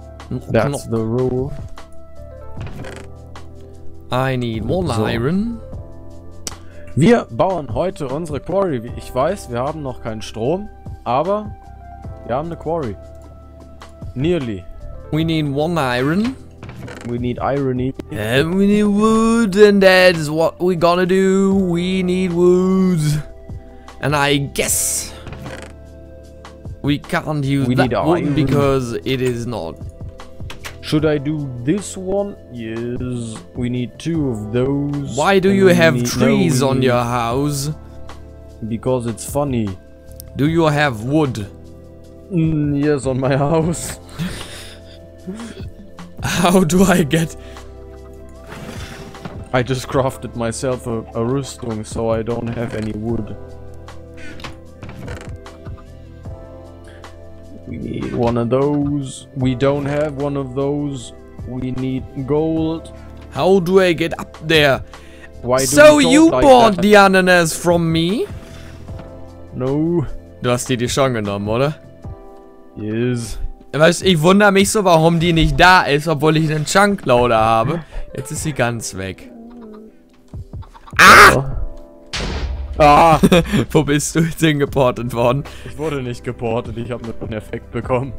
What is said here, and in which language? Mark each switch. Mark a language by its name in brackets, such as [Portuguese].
[English] That's the rule. I need more iron. [German] Wir bauen heute unsere Quarry. Ich weiß, wir haben noch keinen Strom, aber wir haben eine Quarry. [English] Nearly. We need one iron. We need irony. And we need wood, and that is what we gonna do. We need wood. And I guess we can't use we that wood because it is not. Should I do this one? Yes, we need two of those. Why do you have trees on your house? Because it's funny. Do you have wood? Yes, on my house. How do I get... I just crafted myself a rüstung, so I don't have any wood. We need one of those. We don't have one of those. We need gold. How do I get up there? Why do so you like bought that? The ananas from me? No. [German] Du hast dir die schon genommen, oder? [English] Yes. [German] Weißt du, ich wundere mich so, warum die nicht da ist, obwohl ich einen Chunkloader habe. Jetzt ist sie ganz weg. Ah! Ah! Wo bist du jetzt hingeportet worden? Ich wurde nicht geportet, ich habe nur einen Effekt bekommen.